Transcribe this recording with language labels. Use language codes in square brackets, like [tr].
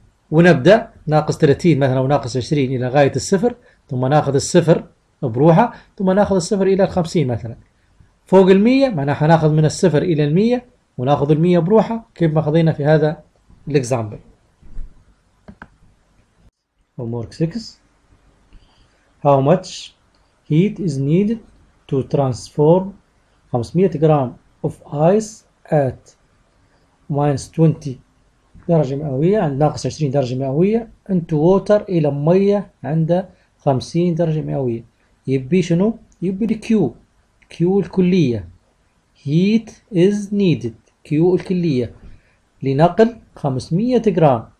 [ar] ونبدأ ناقص 30 مثلا وناقص 20 إلى غاية الصفر، ثم ناخذ الصفر بروحها، ثم ناخذ الصفر إلى ال 50 مثلا. فوق ال 100 معناها حناخذ من الصفر إلى ال 100 وناخذ ال 100 بروحها كيف ما خذينا في هذا الإكزامبل. [en] Homework 6. How much heat is needed to transform 500 grams of ice at minus 20 [ar] درجة مئوية عند ناقص 20 درجة مئوية [en] into water [ar] إلى مية عند 50 درجة مئوية. يبي شنو؟ يبي الكيو، كيو الكلية. [en] heat is needed، [ar] كيو الكلية لنقل 500 جرام.